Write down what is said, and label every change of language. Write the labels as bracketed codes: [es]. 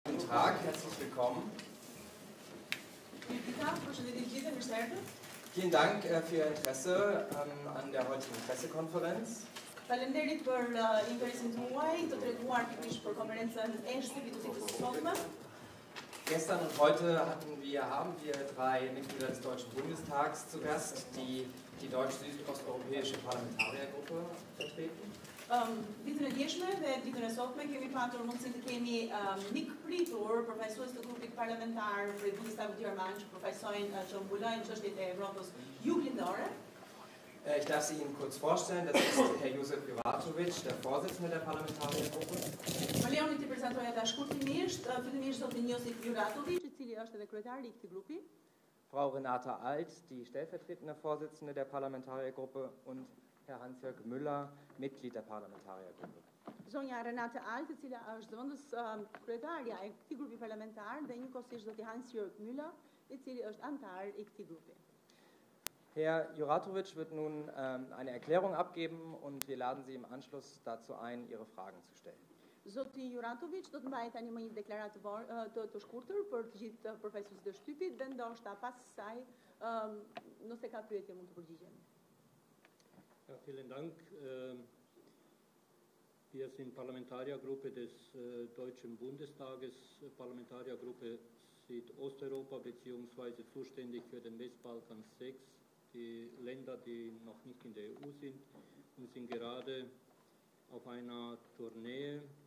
[de] Tag, herzlich willkommen. Vielen Dank für Ihr Interesse an der heutigen Pressekonferenz. [sq] Faleminderit për interesin tuaj të treguar pikërisht për konferencën e shtypit të sotme. [de] Gestern und heute haben wir drei Mitglieder des Deutschen Bundestags zu Gast, die die deutsch-südosteuropäische Parlamentariergruppe vertreten. [sq] Ditën e djeshme dhe ditën e sotme kemi patur mundësi të kemi mikpritur përfaqësues të grupit parlamentar prej Bundestag gjerman që përfaqësojnë që mbulojnë çështjet e Evropës juglindore. [de] Ich darf Sie Ihnen kurz vorstellen, das ist Herr Josip Juratovic, der Vorsitzende der Parlamentarischen Gruppe. [sq] Faleminderit për prezantimin tash kurtimisht, fillimisht sot Josip Juratovic, i cili është edhe kryetari i këtij grupi. [de] Frau Renata Alt, die stellvertretende Vorsitzende der Parlamentarischen Gruppe und Herr Hans-Jörg Müller, Mitglied der Parlamentarischen Gruppe. [sq] Zonja Renata Alt, i cila është zëvendës kryetaria e këtij grupi parlamentar dhe njëkohësisht zoti Hans-Jörg Müller, i cili është antar i këtij grupi. [de] Herr Juratovic wird nun eine Erklärung abgeben und wir laden Sie im Anschluss dazu ein, Ihre Fragen zu stellen. [sq] Zoti Juratovic do të mbajë tani më një deklaratë të shkurtër për të gjithë profesorët të shtypit dhe ndoshta pas saj, nëse ka pyetje mund të përgjigjemi. [de] Ja, vielen Dank. Wir sind Parlamentariergruppe des Deutschen Bundestages, Parlamentariergruppe Südosteuropa bzw. zuständig für den Westbalkan 6. Die Länder, die noch nicht in der EU sind, und sind gerade auf einer Tournee